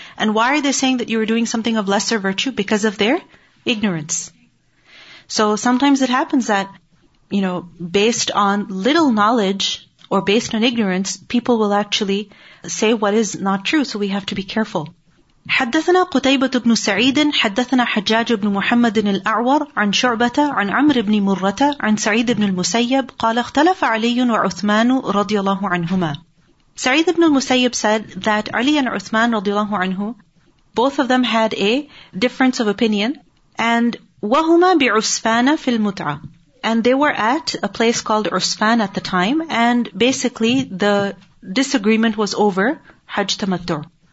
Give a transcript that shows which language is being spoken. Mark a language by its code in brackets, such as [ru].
[en] And why are they saying that you are doing something of lesser virtue? Because of their ignorance. So sometimes it happens that, you know, based on little knowledge or based on ignorance, people will actually say what is not true. So we have to be careful. [ar] حدثنا قتيبة بن سعيد حدثنا حجاج بن محمد الأعور عن شعبة عن عمرو بن مرة عن سعيد بن المسيب قال اختلف علي وعثمان رضي الله عنهما. [en] Sa'id ibn al-Musayyib said that Ali and Uthman radiallahu anhu, both of them had a difference of opinion, and [ar] wahuma bi'usfana fil mut'a. [en] And they were at a place called Usfan at the time, and basically the disagreement was over Hajj Tamattu'.